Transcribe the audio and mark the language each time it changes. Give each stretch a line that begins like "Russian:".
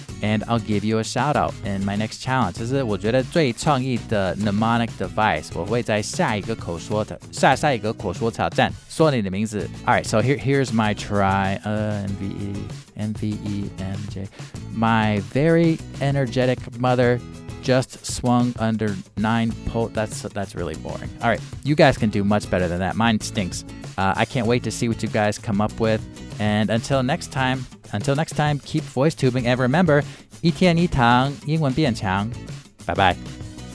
English: And I'll give you a shout out in my next challenge.
Chinese: 这是我觉得最创意的 mnemonic device. 我会在下一个口说挑战, 说你的名字.
English: All right, so here's my try. M-V-E-M-J. My very energetic mother just swung under 9 pole. That's really boring. All right, you guys can do much better than that. Mine stinks. I can't wait to see what you guys come up with. And until next time, keep voice tubing. And remember,
Chinese: 一天一堂英文变强.
English: Bye-bye.